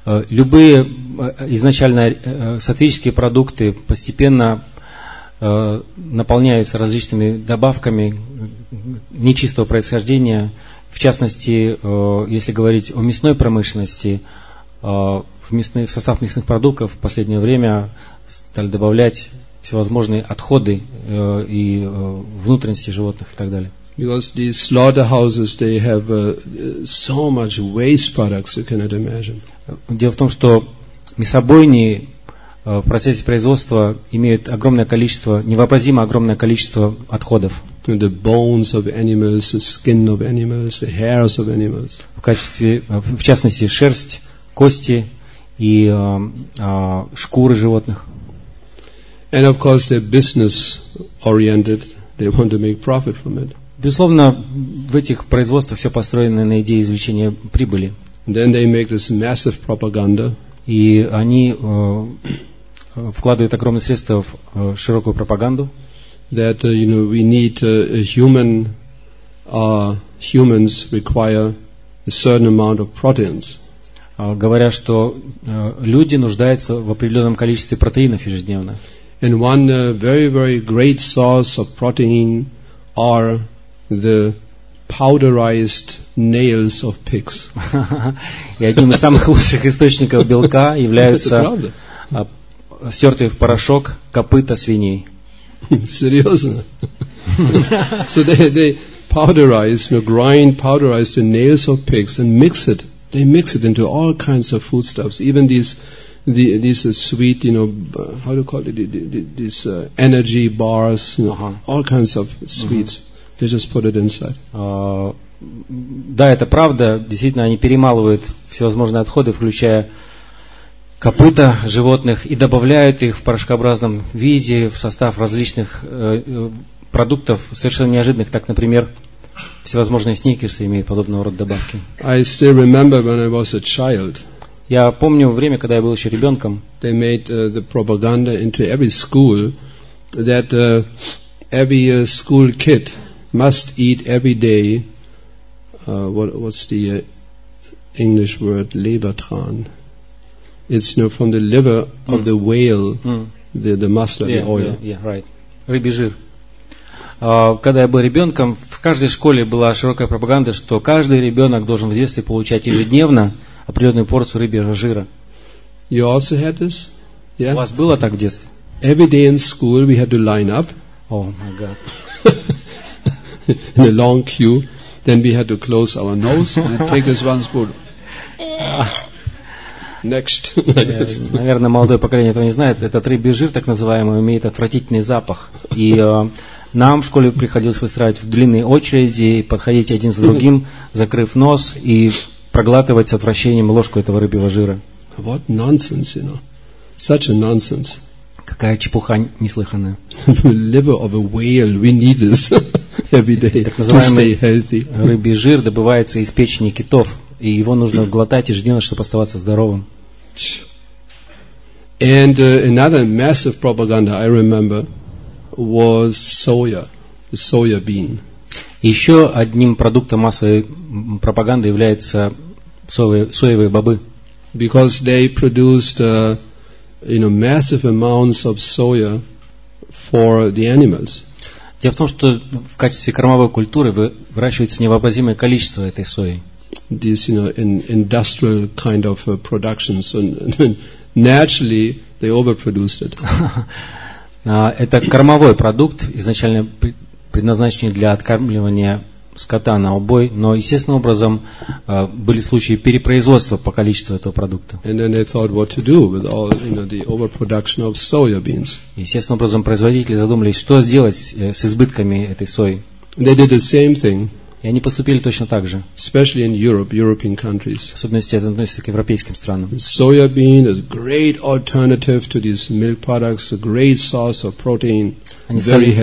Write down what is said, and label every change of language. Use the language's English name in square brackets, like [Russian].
[Russian] Любые изначально сатвические продукты постепенно наполняются различными добавками нечистого происхождения. В частности, если говорить о мясной промышленности, в состав мясных продуктов в последнее время стали добавлять всевозможные отходы и внутренности животных и так далее. [English] Because these slaughterhouses, they have so much waste products, you cannot imagine. [Russian] Дело в том, что мясобойни в процессе производства имеют огромное количество, невообразимо огромное количество отходов. [English] The bones of animals, the skin of animals, the hairs of animals. [Russian] В частности, шерсть, кости и шкуры животных. [English] And of course, they're business oriented. They want to make profit from it. [Russian] Безусловно, в этих производствах все построено на идее извлечения прибыли. [English] Then they make this massive propaganda. [Russian] И они вкладывают огромные средства в широкую пропаганду. [English] That we need humans require a certain amount of proteins. [Russian] Говоря, что люди нуждаются в определенном количестве протеинов ежедневно. [English] And one very, very great source of protein are the powderized nails of pigs. [Russian] И одним из самых лучших источников белка являются стертые в порошок копыта свиней. Серьезно? [English] So they powderize, grind, powderize the nails of pigs and mix it. They mix it into all kinds of foodstuffs, even these. These are sweet, how do you call it? These energy bars, all kinds of sweets. Uh-huh. They just put it inside. [Russian] Да, это правда. Действительно, они перемалывают всевозможные отходы, включая копыта животных, и добавляют их в порошкообразном виде в состав различных продуктов совершенно неожиданных. Так, например, всевозможные сникерсы имеют подобного рода добавки. [English] I still remember when I was a child. [Russian] Я помню время, когда я был еще ребенком. [English] They made the propaganda into every school that every school kid must eat every day what's the English word? Lebertran. It's from the liver of the whale, the mustard, yeah, the oil. Yeah, right. [Russian] Рыбий жир. Когда я был ребенком, в каждой школе была широкая пропаганда, что каждый ребенок должен в детстве получать ежедневно определенную порцию рыбьего жира. [English] You also had this? [Russian] Yeah. У вас было так в детстве? [English] Every day in school we had to line up. Oh my God. In a long queue. Then we had to close our nose and take us one spoon. Next. [Russian] Наверное, молодое поколение этого не знает. Этот рыбий жир, так называемый, имеет отвратительный запах. И нам в школе приходилось выстраивать в длинные очереди, подходить один за другим, закрыв нос и проглатывать с отвращением ложку этого рыбьего жира. [English] What nonsense, you know? Such a nonsense. [Russian] Какая чепуха неслыханная. [English] Liver of a whale, we need this every day. [Russian] Так называемый рыбий жир добывается из печени китов, и его нужно глотать ежедневно, чтобы оставаться здоровым. [English] And another massive propaganda I remember was soya, the soya bean. [Russian] Еще одним продуктом массовой пропаганды является соевые бобы. [English] Because they produced massive amounts of soya for the animals. [Russian] Дело в том, что в качестве кормовой культуры выращивается невообразимое количество этой сои. [English] This, industrial kind of production, so naturally they overproduced it. [Russian] Это кормовой продукт, изначально предназначенный для откармливания скота на убой, но естественным образом были случаи перепроизводства по количеству этого продукта. [English] And then they thought what to do with all, the overproduction of soya beans. [Russian] Естественным образом производители задумались, что сделать с избытками этой сои. [English] They did the same thing. [Russian] И они поступили точно так же. [English] Especially in Europe, European countries. [Russian] В особенности это относится к европейским странам. [English] Soya bean is a great alternative to these milk products, a great source of protein, very healthy.